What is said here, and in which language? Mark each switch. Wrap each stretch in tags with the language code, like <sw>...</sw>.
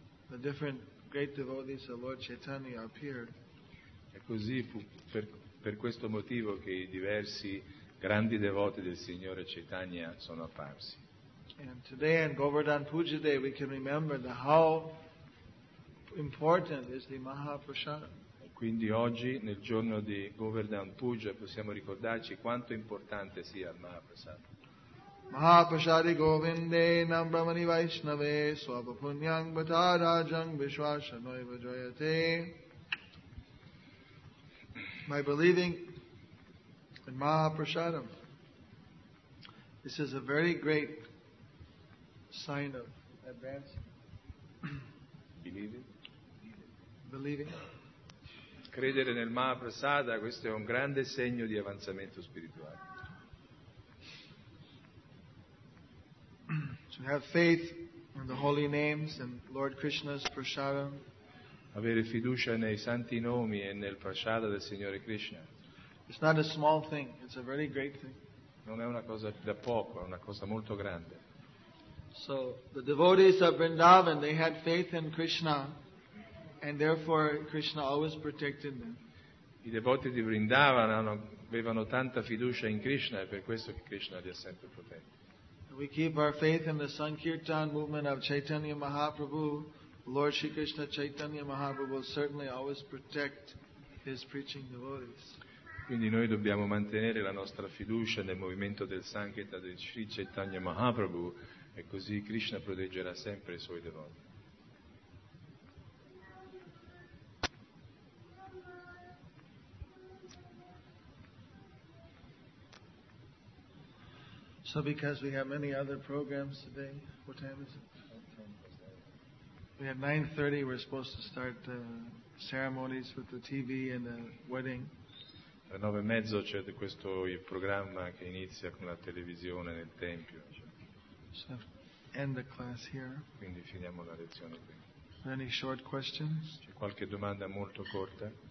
<en>the different great devotees of Lord Chaitanya appeared.</en> <it>E così fu per questo motivo che i diversi grandi devoti del Signore Chaitanya sono apparsi.</it> <en>And today in Govardhan Puja Day we can remember the how important is the Mahaprasada.</en> <it>Quindi oggi nel giorno di Govardhan Puja possiamo ricordarci quanto importante sia il Mahaprasada.</it> <sa>Mahaprasada Govinde nam brahmani vaishnave swapa punyang batarajang vishwasanoi vajayate.</sa> <en>By believing in Mahaprasadam, this is a very great sign of advance. Believing.</en> <it>Credere nel Mahaprasada, questo è un grande segno di avanzamento spirituale.</it> <en>To have faith in the holy names and Lord Krishna's prasadam.</en> <it>Avere fiducia nei santi nomi e nel prasada del Signore Krishna.</it> <en>It's not a small thing, it's a very great thing.</en> <it>Non è una cosa da poco, è una cosa molto grande.</it> <en>So the devotees of Vrindavan, they had faith in Krishna and therefore Krishna always protected them.</en> <it>I devoti di Vrindavan avevano tanta fiducia in Krishna e per questo che Krishna li ha sempre protetti.</it> <en>We keep our faith in the Sankirtan movement of Chaitanya Mahaprabhu. Lord Shri Krishna Chaitanya Mahaprabhu will certainly always protect his preaching devotees.</en> <it>Quindi noi dobbiamo mantenere la nostra fiducia nel movimento del Sankirtan di Shri Chaitanya Mahaprabhu e così Krishna proteggerà sempre i suoi devoti.</it> <en>So because we have many other programs today, what time is it? We have 9:30, we're supposed to start the ceremonies with the TV and the wedding.</en> <it>Alle 9:30 c'è questo il programma che inizia con la televisione nel tempio.</it> <en>So end the class here.</en> <it>Quindi finiamo la lezione qui.</it> <en>Any short questions?</en> <it>C'è qualche domanda molto corta?</it>